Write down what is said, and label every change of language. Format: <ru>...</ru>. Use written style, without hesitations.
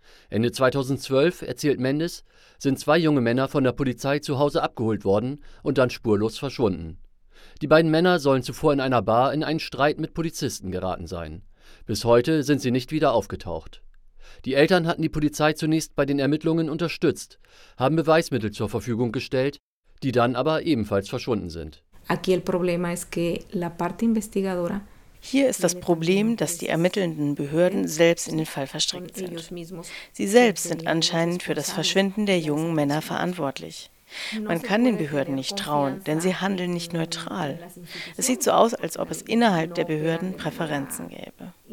<de>Ende 2012, erzählt Mendes, sind zwei junge Männer von der Polizei zu Hause abgeholt worden und dann spurlos verschwunden. Die beiden Männer sollen zuvor in einer Bar in einen Streit mit Polizisten geraten sein. Bis heute sind sie nicht wieder aufgetaucht. Die Eltern hatten die Polizei zunächst bei den Ermittlungen unterstützt, haben Beweismittel zur Verfügung gestellt, die dann aber ebenfalls verschwunden sind.</de> <es>Aquí el problema es que la parte investigadora.</es> <de>Hier ist das Problem, dass die ermittelnden Behörden selbst in den Fall verstrickt sind. Sie selbst sind anscheinend für das Verschwinden der jungen Männer verantwortlich. Man kann den Behörden nicht trauen, denn sie handeln nicht neutral. Es sieht so aus, als ob es innerhalb der Behörden Präferenzen gäbe.</de>